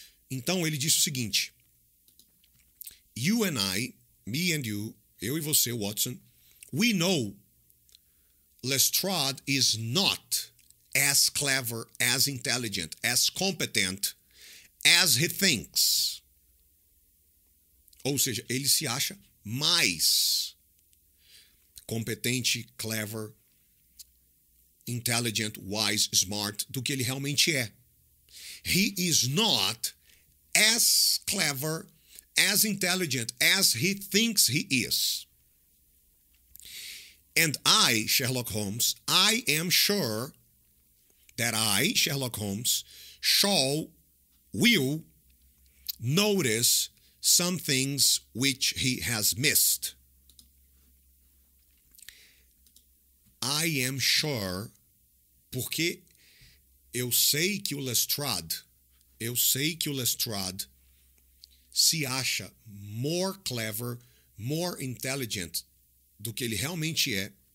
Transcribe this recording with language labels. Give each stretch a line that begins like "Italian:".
Portuguese: Então, ele disse o seguinte.
English: You and I, me and you,
Portuguese: eu e você,
English: Watson, we know Lestrade is not as clever, as intelligent, as competent, as he thinks.
Portuguese: Ou seja, ele se acha mais competente,
English: clever, intelligent, wise, smart,
Portuguese: do que ele realmente é.
English: He is not as clever, as intelligent, as he thinks he is. And I, Sherlock Holmes, I am sure that I, Sherlock Holmes, shall, will, notice some things which he has missed. I am sure,
Portuguese: porque eu sei que o Lestrade, eu sei que o Lestrade se acha
English: more clever, more intelligent
Portuguese: do que ele realmente é.